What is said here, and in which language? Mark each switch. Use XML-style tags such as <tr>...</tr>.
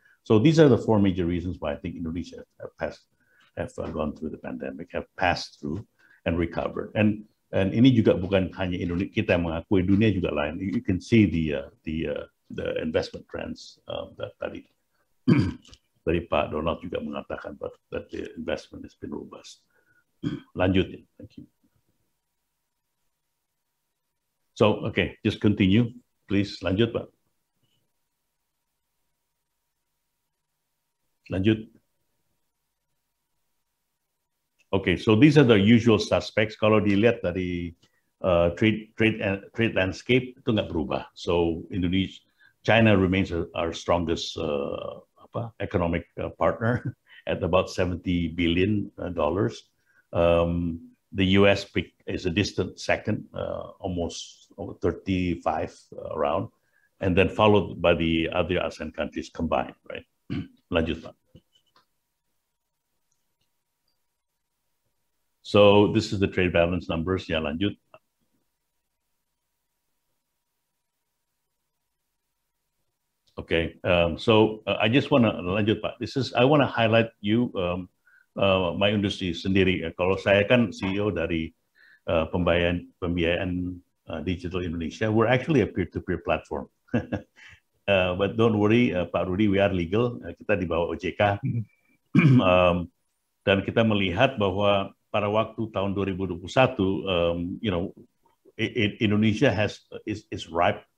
<en>So these are the four major reasons why I think Indonesia have gone through the pandemic, have passed through and recovered.</en> <id>And ini juga bukan hanya Indonesia, kita mengakui dunia juga lain.</id> <en>You can see the investment trends that</en> <id>tadi dari Pak Donald juga mengatakan</id> <en>that the investment has been robust.</en> <id>Lanjutin,</id> <en>thank you. So okay, just continue, please.</en> <id>Lanjut, Pak. Lanjut.</id> <en>Okay, so these are the usual suspects.</en> <id>Kalau dilihat dari trade landscape itu nggak berubah.</id> <en>So Indonesia, China remains our strongest economic partner at about $70 billion. The U.S. is a distant second, almost 35 around, and then followed by the other ASEAN countries combined. Right, lanjut. So this is the trade balance numbers. Ya, lanjut. Okay. I just want to</en> <id>lanjut, Pak.</id> <en>I want to highlight you my industry sendiri.</en> <id>Kalau saya kan CEO dari pembiayaan digital Indonesia,</id> <en>we're actually a peer-to-peer platform. but don't worry, Pak Rudy, we are legal.</en> <id>Kita di bawah OJK. dan kita melihat bahwa pada waktu tahun 2021,</id> <en>you know, Indonesia is ripe.</en>